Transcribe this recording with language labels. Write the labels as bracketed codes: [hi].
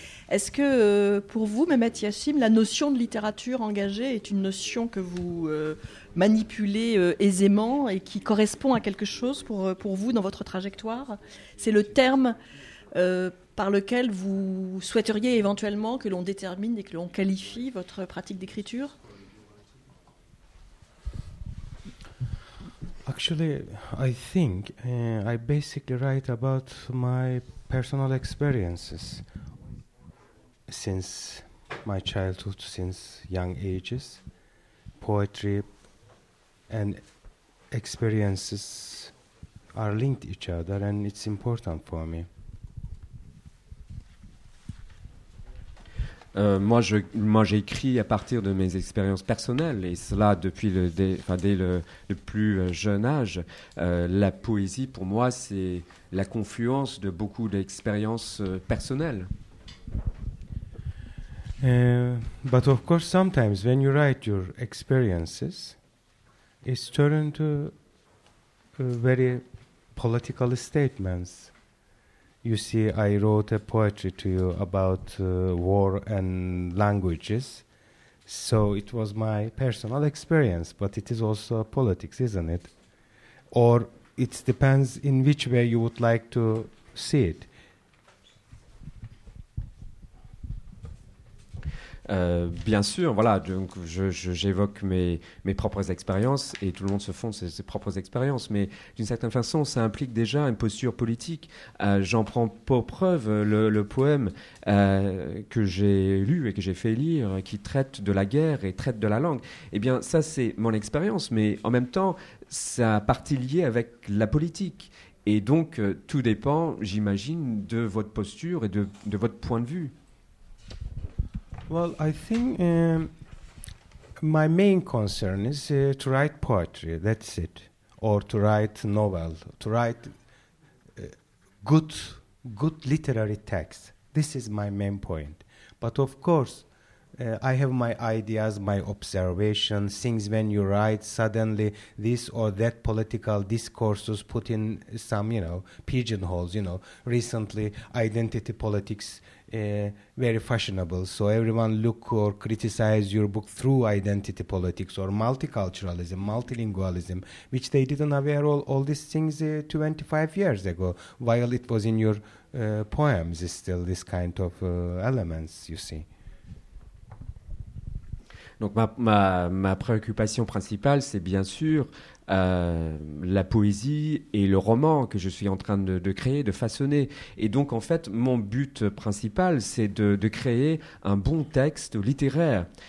[fr] Est-ce que, pour vous, Mehmet Yassim, la notion de littérature engagée est une notion que vous manipulez aisément et qui correspond à quelque chose pour vous dans votre trajectoire? C'est le terme par lequel vous souhaiteriez éventuellement que l'on détermine et que l'on qualifie votre pratique d'écriture? [en] Actually, I think I basically write about my personal experiences since my childhood, since young ages, poetry and experiences are linked each other, and it's important for me. [fr] Moi, j'ai écrit à partir de mes expériences personnelles, et cela depuis dès le plus jeune âge. La poésie, pour moi, c'est la confluence de beaucoup d'expériences personnelles. [en] But of course, sometimes when you write your experiences, it's turned to very political statements. You see, I wrote a poetry to you about war and languages, so it was my personal experience, but it is also politics, isn't it? Or it depends in which way you would like to see it. [fr] Bien sûr, voilà, donc j'évoque mes propres expériences et tout le monde se fonde sur ses propres expériences, mais d'une certaine façon, ça implique déjà une posture politique. J'en prends pour preuve le poème que j'ai lu et que j'ai fait lire, qui traite de la guerre et traite de la langue. Eh bien, ça, c'est mon expérience, mais en même temps, ça a partie liée avec la politique. Et donc, tout dépend, j'imagine, de votre posture et de votre point de vue. [en] Well, I think my main concern is to write poetry, that's it. Or to write novel, to write good good literary text. This is my main point. But of course, I have my ideas, my observations, things when you write, suddenly this or that political discourses put in some, you know, pigeonholes, you know. Recently, identity politics very fashionable. So everyone look or criticize your book through identity politics or multiculturalism, multilingualism, which they didn't aware of all these things 25 years ago, while it was in your poems is still this kind of elements, you see. [fr] Donc ma préoccupation principale, c'est bien sûr la poésie et le roman que je suis en train de créer, de façonner. Et donc, en fait, mon but principal, c'est de créer un bon texte littéraire.